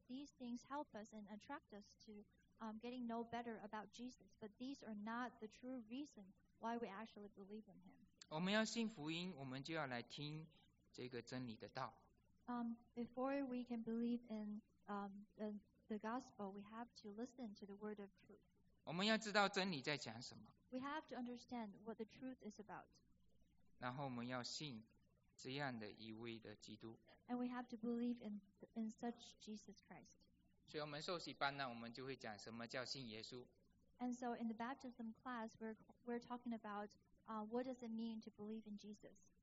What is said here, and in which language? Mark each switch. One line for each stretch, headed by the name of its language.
English: These things help us and attract us to getting know better about Jesus. But these are not the true reason why we actually believe in him.
Chinese: 我们要信福音，我们就要来听这个真理的道。
English: Before we can believe in the gospel, we have to listen to the word of truth.
Chinese: 我们要知道真理在讲什么。
English: We have to understand what the truth is about.
Chinese: 然后我们要信这样的一位的基督。
English: And we have to believe in such Jesus Christ.
Chinese: 所以我们受洗班呢，我们就会讲什么叫信耶稣。
English: And so in the baptism class, we're talking about what does it mean to believe in Jesus.